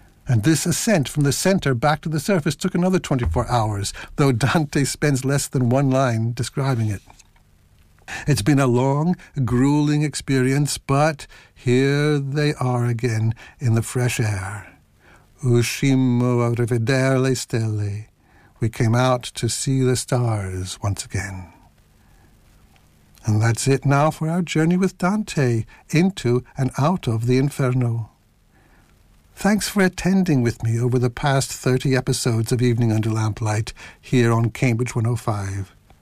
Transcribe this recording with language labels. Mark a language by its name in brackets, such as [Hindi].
[English] And this ascent from the center back to the surface took another 24 hours, though Dante spends less than one line describing it. It's been a long, grueling experience, but here they are again in the fresh air. [Italian] Uscimmo a rivedere le stelle. [English] We came out to see the stars once again. And that's it now for our journey with Dante into and out of the Inferno. Thanks for attending with me over the past 30 episodes of Evening Under Lamplight here on Cambridge 105.